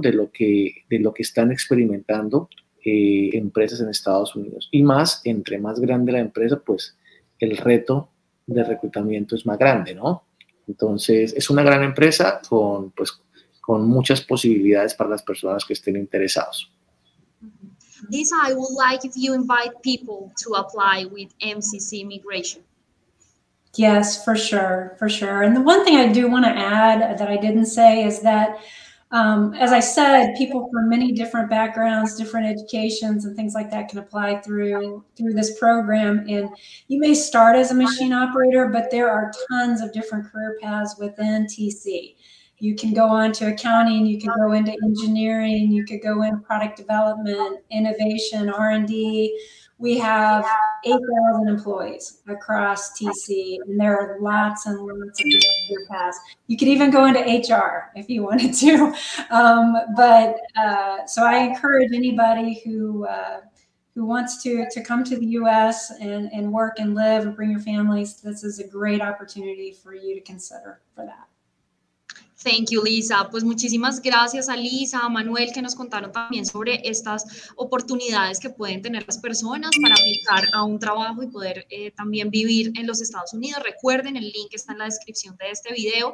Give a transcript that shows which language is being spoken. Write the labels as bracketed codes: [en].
[es] De lo que están experimentando empresas en Estados Unidos. Y más, entre más grande la empresa, pues el reto de reclutamiento es más grande, ¿no? Entonces, es una gran empresa con muchas posibilidades para las personas que estén interesados. [en] This I would like if you invite people to apply with MCC Immigration. Yes, for sure, for sure. And the one thing I do want to add that I didn't say is that, as I said, people from many different backgrounds, different educations and things like that can apply through this program. And you may start as a machine operator, but there are tons of different career paths within TC. You can go on to accounting, you can go into engineering, you could go in product development, innovation, R&D. We have 8,000 employees across TC, and there are lots and lots of career paths. You could even go into HR if you wanted to. So I encourage anybody who wants to come to the US and work and live and bring your families, this is a great opportunity for you to consider for that. Thank you, Lisa. [es] Pues muchísimas gracias a Lisa, a Manuel, que nos contaron también sobre estas oportunidades que pueden tener las personas para aplicar a un trabajo y poder también vivir en los Estados Unidos. Recuerden, el link está en la descripción de este video.